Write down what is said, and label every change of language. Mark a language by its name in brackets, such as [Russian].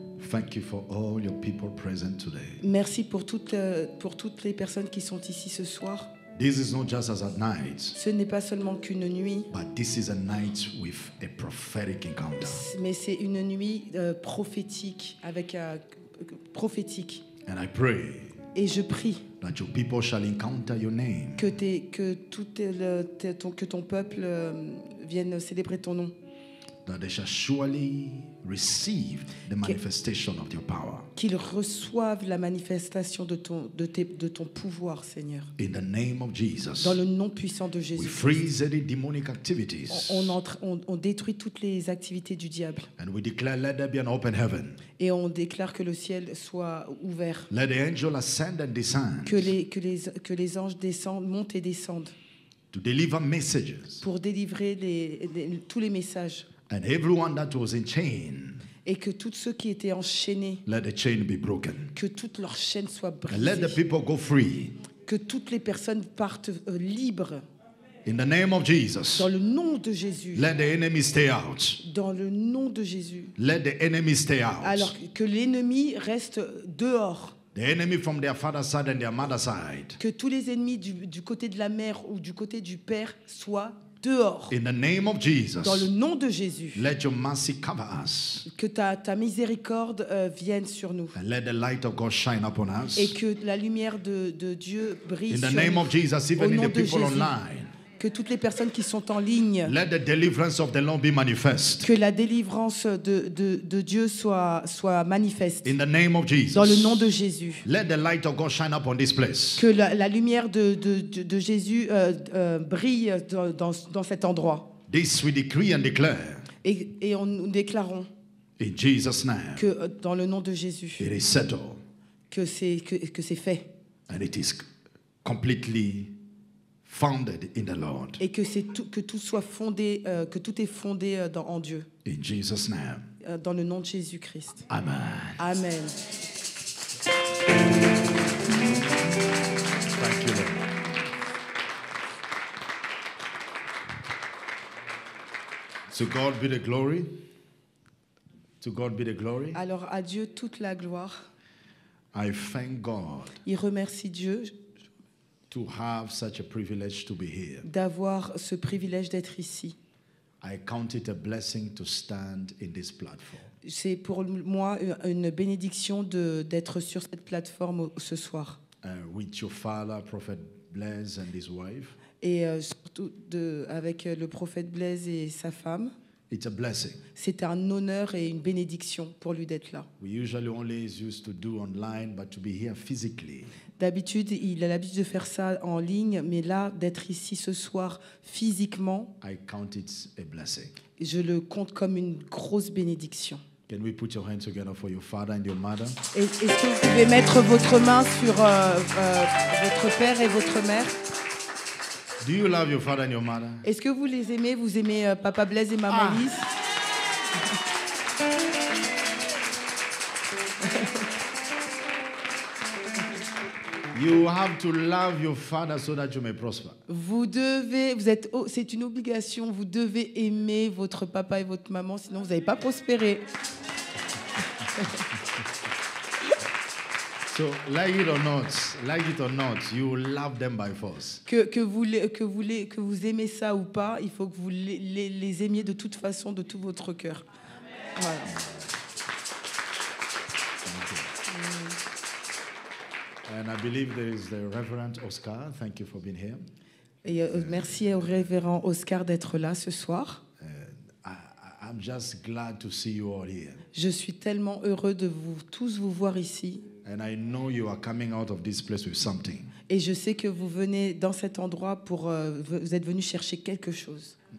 [English] Thank you for all your people present today. [French] Merci pour toutes les personnes qui sont ici ce soir. [English] This is not just as a night. [French] Ce n'est pas seulement qu'une nuit. [English] But this is a night with a prophetic encounter. [French] Mais c'est une nuit prophétique avec prophétique. [English] And I pray. [French] Et je prie. [English] That your people shall encounter your name. [French] Que ton peuple vienne célébrer ton nom. [English] That they shall surely receive the manifestation of your power. [French] Qu'ils reçoivent la manifestation de ton pouvoir, Seigneur. [English] In the name of Jesus. [French] Dans le nom puissant de Jésus. [English] We freeze any demonic activities. [French] On détruit toutes les activités du diable. [English] And we declare, let there be an open heaven. [French] Et on déclare que le ciel soit ouvert. [English] Let the angels ascend and descend. [French] Que les anges descendent, montent et descendent. [English] To deliver messages. [French] Pour délivrer tous les messages. [English] And everyone that was in chain, [French] et que tous ceux qui étaient enchaînés, [English] let the chain be broken. [French] Que toutes leurs chaînes soient brisées. [English] And let the people go free. [French] Que toutes les personnes partent libres. [English] In the name of Jesus. [French] Dans le nom de Jésus. [English] Let the enemy stay out. [French] Dans le nom de Jésus. [English] Let the enemy stay out. [French] Alors que l'ennemi reste dehors. [English] The enemy from their father's side and their mother's side. [French] Que tous les ennemis du côté de la mère ou du côté du père soient dehors. [English] In the name of Jesus. [French] Dans le nom de Jésus. [English] Let your mercy cover us. [French] Que ta miséricorde vienne sur nous. [English] And let the light of God shine upon us. [French] Et que la lumière de Dieu brille [English] in [French] sur [English] the name [French] nous. [English] Of Jesus, even in the people Jésus. Online. [French] Que toutes les personnes qui sont en ligne. [English] Let the deliverance of the Lord be manifest. [French] Que la délivrance de Dieu soit manifeste. [English] In the name of Jesus. [French] Dans le nom de Jésus. [English] Let the light of God shine upon this place. [French] Que la lumière de Jésus brille dans cet endroit. [English] This we decree and declare. [French] Et on nous déclarons. [English] In Jesus' name. [French] Que dans le nom de Jésus. [English] It is settled. [French] Que c'est fait. [English] And it is completely founded in the Lord. [French] Et que c'est tout, que tout soit fondé, que tout est fondé en Dieu. [English] In Jesus' name. [French] Dans le nom de Jésus Christ. [English] Amen. [French] Amen. [English] Thank you, Lord. To God be the glory. To God be the glory. [French] Alors à Dieu toute la gloire. [English] I thank God. [French] Il remercie Dieu. [English] To have such a privilege to be here. [French] D'avoir ce privilège d'être ici. [English] I count it a blessing to stand in this platform. [French] C'est pour moi une bénédiction d'être sur cette plateforme ce soir. [English] With your father, Prophet Blaise, and his wife. [French] Et surtout avec le prophète Blaise et sa femme. [English] It's a blessing. [French] C'est un honneur et une bénédiction pour lui d'être là. [English] We usually only used to do online, but to be here physically. [French] D'habitude, il a l'habitude de faire ça en ligne, mais là, d'être ici ce soir physiquement, [English] I count it a blessing. [French] Je le compte comme une grosse bénédiction. [English] Can we put your hands together for your father and your mother? [French] Est-ce que vous pouvez mettre votre main sur votre père et votre mère? [English] Do you love your father and your mother? [French] Est-ce que vous les aimez? Vous aimez Papa Blaise et Maman Lise? [English] You have to love your father so that you may prosper. [French] C'est une obligation. Vous devez aimer votre papa et votre maman, sinon vous n'allez pas prospérer. [English] So, like it or not, you love them by force. [French] Que vous aimez ça ou pas, il faut que vous les aimiez de toute façon, de tout votre cœur. Voilà. [English] And I believe there is the Reverend Oscar. Thank you for being here. [French] Et merci au révérend Oscar d'être là ce soir. [English] I'm just glad to see you all here. [French] Je suis tellement heureux de vous tous vous voir ici. [English] And I know you are coming out of this place with something. [French] Et je sais que vous venez dans cet endroit pour vous êtes venu chercher quelque chose.